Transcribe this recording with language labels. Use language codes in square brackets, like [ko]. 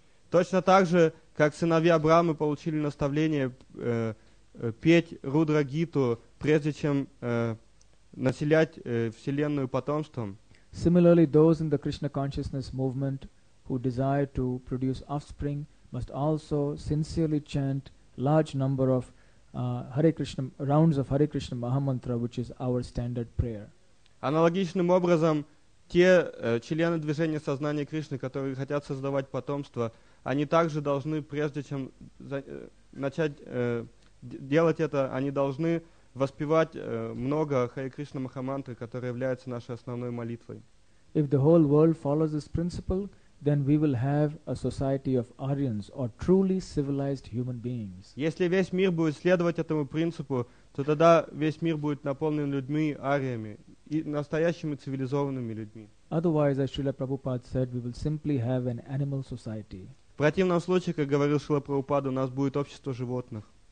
[ru] Точно так же, как сыновья Брамы получили наставление петь Рудра Гиту, прежде чем населять вселенную потомством. [en] Similarly, those in the Krishna consciousness movement who desire to produce offspring must also sincerely chant large number of Hare Krishna rounds of Hare Krishna Mahamantra, which is our standard prayer. [ru] Аналогичным образом, те члены движения сознания Кришны, которые хотят создавать потомство, они также должны, прежде чем начать делать это, они должны воспевать много Харе Кришна Махамантры, которая является нашей основной молитвой. [en] If the whole world follows this principle, then we will have a society of Aryans, or truly civilized human beings. [ru] Если весь мир будет следовать этому принципу, то тогда весь мир будет наполнен людьми, ариями, и настоящими цивилизованными людьми. [en] Otherwise, as Srila Prabhupada said, we will simply have an animal society. [ru] В противном случае, как говорил Шрила Прабхупада, у нас будет общество животных.